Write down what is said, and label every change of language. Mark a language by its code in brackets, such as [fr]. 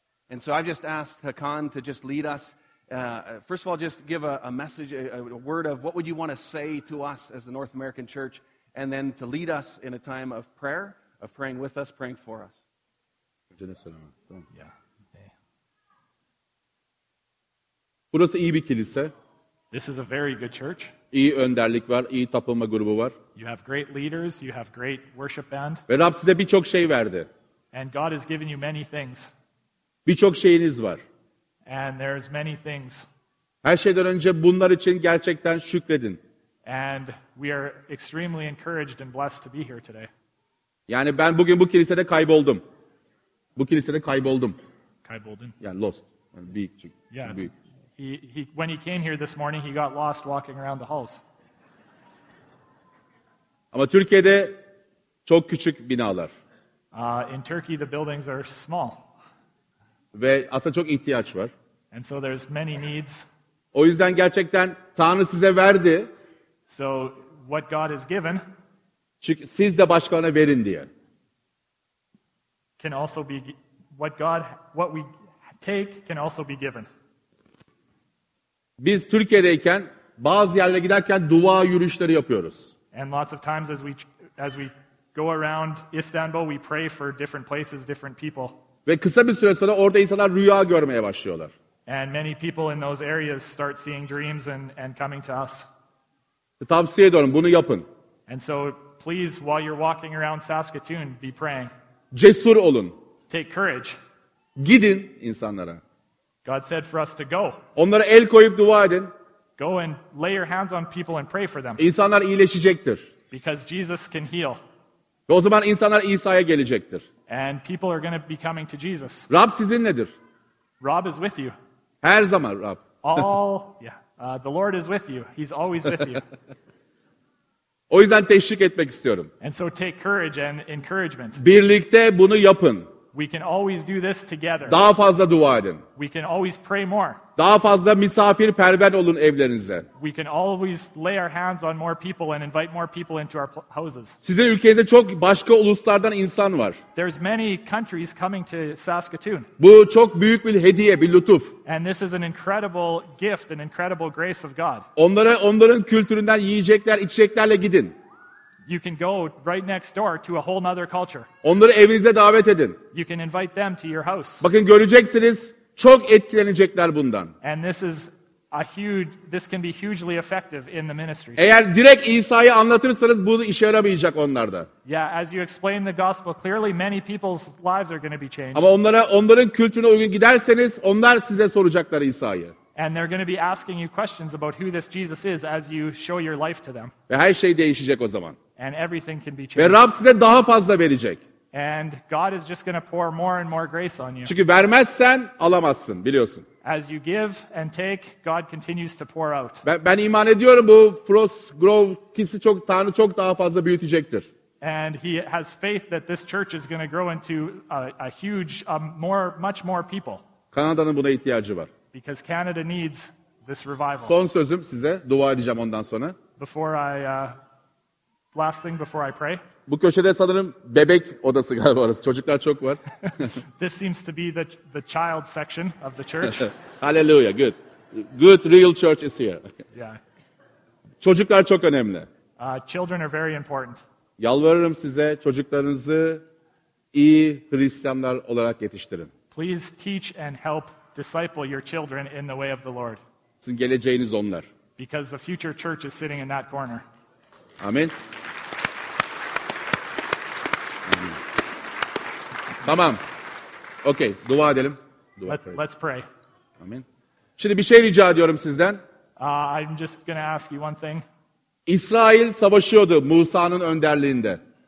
[en] And so I've just asked Hakan to just lead us. First of all, just give a message, a word of what would you want to say to us as the North American church, and then to lead us in a time of prayer, of praying with us, praying for us. Yeah. [tr] Burası iyi bir kilise. [en] This is a very good church. [tr] İyi önderlik var, iyi tapınma grubu var. [en] You have great leaders, you have great worship band. [tr] Ve Rab size birçok şey verdi. [en] And God has given you many things. [tr] Birçok şeyiniz var. [en] And there's many things. [tr] Her şeyden önce bunlar için gerçekten şükredin. [en] And we are extremely encouraged and blessed to be here today. [tr] Yani ben bugün bu kilisede kayboldum. Bu kilisede kayboldum. Kayboldun. Yani lost. Yani büyük çünkü. [en] Yeah, [tr] çünkü büyük. [en] He when he came here this morning, he got lost walking around the halls. [tr] Ama Türkiye'de çok küçük binalar. [en] In Turkey, the buildings are small. [tr] Ve aslında çok ihtiyaç var. [en] And so there's many needs. [tr] O yüzden gerçekten Tanrı size verdi. [en] So what God has given. [tr] Çünkü siz de başkalarına verin diye. [en] Can also be what we take can also be given. [tr] Biz Türkiye'deyken bazı yerlere giderken dua yürüyüşleri yapıyoruz. [en] And lots of times as we go around Istanbul, we pray for different places, different people. [tr] Ve kısa bir süre sonra orada insanlar rüya görmeye başlıyorlar. [en] And many people in those areas start seeing dreams and coming to us. [tr] Tavsiye ediyorum, bunu yapın. [en] And so please, while you're walking around Saskatoon, be praying. [tr] Cesur olun. [en] Take courage. [tr] Gidin insanlara. [en] God said for us to go. [tr] Onlara el koyup dua edin. [en] Go and lay your hands on people and pray for them. [tr] İnsanlar iyileşecektir. [en] Because Jesus can heal. [tr] Ve o zaman insanlar İsa'ya gelecektir. [en] And people are going to be coming to Jesus. [tr] Rab sizinledir. [en] Rob is with you. [tr] Her zaman Rab. [en] All, yeah. The Lord is with you. He's always with you. [tr] O yüzden teşvik etmek istiyorum. [en] And so take courage and encouragement. [tr] Birlikte bunu yapın. [en] We can always do this together. [tr] Daha fazla dua edin. [en] We can always pray more. [tr] Daha fazla misafirperver olun evlerinize. [en] We can always lay our hands on more people and invite more people into our houses. [tr] Sizin ülkenizde çok başka uluslardan insan var. [en] There's many countries coming to Saskatoon. [tr] Bu çok büyük bir hediye, bir lütuf. [en] And this is an incredible gift, an incredible grace of God. [tr] Onlara onların kültüründen yiyecekler, içeceklerle gidin. [en] You can go right next door to a whole other culture. [tr] Onları evinize davet edin. [en] You can invite them to your house. [tr] Bakın göreceksiniz, çok etkileneceklar bundan. [en] And this is this can be hugely effective in the ministry. [tr] Eğer direkt İsa'yı anlatırsanız bu işe yaramayacak onlarda. [en] Yeah, as you explain the gospel clearly, many people's lives are going to be changed. [tr] Ama onların kültürüne uygun giderseniz onlar size soracaklar İsa'yı. [en] And they're going to be asking you questions about who this Jesus is as you show your life to them. [tr] Ve her şey değişecek o zaman. [en] And everything can be changed. [tr] Ve Rab size daha fazla verecek. [en] And God is just going to pour more and more grace on you. [tr] Çünkü vermezsen alamazsın, biliyorsun. [en] As you give and take, God continues to pour out. [tr] Ben iman ediyorum bu Frostgrove'kisi çok Tanrı çok daha fazla büyütecektir. [en] And he has faith that this church is going to grow into a huge much more people. [tr] Kanada'nın buna ihtiyacı var. [en] Because Canada needs this revival. [tr] Son sözüm size, dua edeceğim ondan sonra. [en] Before I last thing before I pray. [tr] Bu köşede sanırım bebek odası galiba orası. Çocuklar çok var. [en] This seems to be the child section of the church. Hallelujah, good. Good, real church is here. Yeah. [tr] Çocuklar çok önemli. [en] Children are very important. [tr] Yalvarırım size çocuklarınızı iyi Hristiyanlar olarak yetiştirin. [en] Please teach and help disciple your children in the way of the Lord. [tr] Sizin geleceğiniz onlar. [en] Because the future church is sitting in that corner. [tr] Amin. Tamam. Okay, dua edelim. [en] Let's pray. [tr] Amin. Şimdi bir şey rica ediyorum sizden. [en] I'm just going to ask you one thing. [tr] İsrail savaşıyordu Musa'nın önderliğinde.